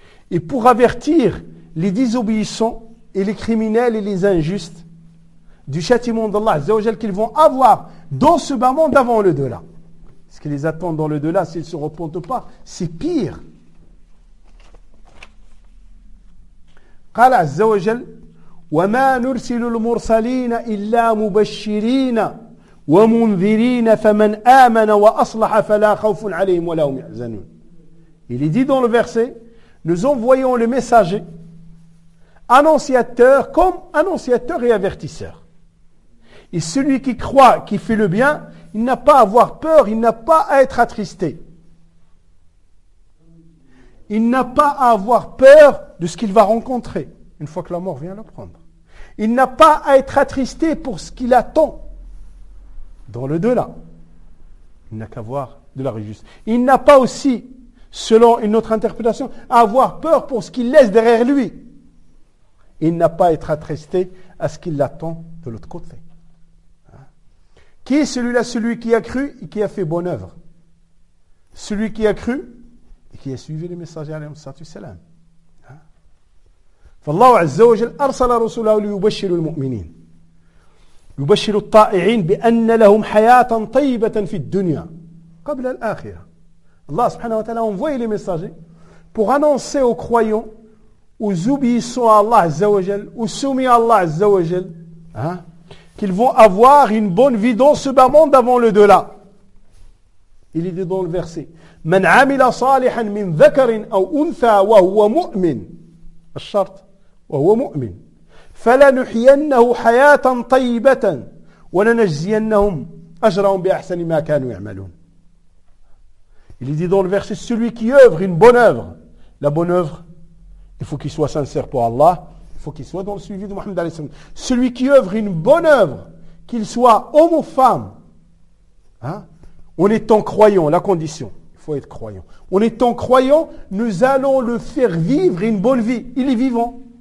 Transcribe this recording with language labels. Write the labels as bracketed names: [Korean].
[French] Et pour avertir les désobéissants et les criminels et les injustes du châtiment d'Allah Azza wa Jal qu'ils vont avoir dans ce bas monde avant le delà. Ce qui les attend dans le delà, s'ils ne se repentent pas, c'est pire. [Arabic] قال عز وجل وما نرسل المرسلين إلا مبشرين ومنذرين فمن آمن وأصلح فلا خوف عليهم ولا هم يحزنون. [French] Il est dit dans le verset: nous envoyons le messager, annonciateur comme annonciateur et avertisseur. Et celui qui croit, qui fait le bien, il n'a pas à avoir peur, il n'a pas à être attristé. Il n'a pas à avoir peur de ce qu'il va rencontrer une fois que la mort vient le prendre. Il n'a pas à être attristé pour ce qu'il attend dans l'au-delà. Il n'a qu'à avoir de la réjouissance. Il n'a pas aussi, selon une autre interprétation, à avoir peur pour ce qu'il laisse derrière lui. Il n'a pas à être attristé à ce qu'il attend de l'autre côté. Qui est celui-là? Celui qui a cru et qui a fait bonne œuvre. Celui qui a cru et qui a suivi les messagers alayhi salatu wassalam. [Arabic] فالله عز وجل أرسل رسوله ليبشروا المؤمنين يبشروا الطائعين بأن لهم حياة طيبة في الدنيا قبل الآخرة. الله سبحانه وتعالى [French] envoie les messagers pour annoncer aux croyants, aux obéissants à Allah [Arabic] عز وجل, [French] aux soumis à Allah عز وجل, qu'ils vont avoir une bonne vie dans ce bas monde avant le delà. Il est dit dans le verset: [Arabic] من عمل صالحا من ذكر أو أنثى وهو مؤمن الشرط وهو مؤمن فلنحيينه حياة طيبة ولنجزينهم أجرهم بأحسن ما كانوا يعملون. [French] Il est dit dans le verset: celui qui œuvre une bonne œuvre, la bonne œuvre, il faut qu'il soit sincère pour Allah, il faut qu'il soit dans le suivi de Mohammed alayhi salam. Celui qui œuvre une bonne œuvre, qu'il soit homme ou femme, en étant croyant, la condition, il faut être croyant, en étant croyant, nous allons le faire vivre une bonne vie. Il est vivant.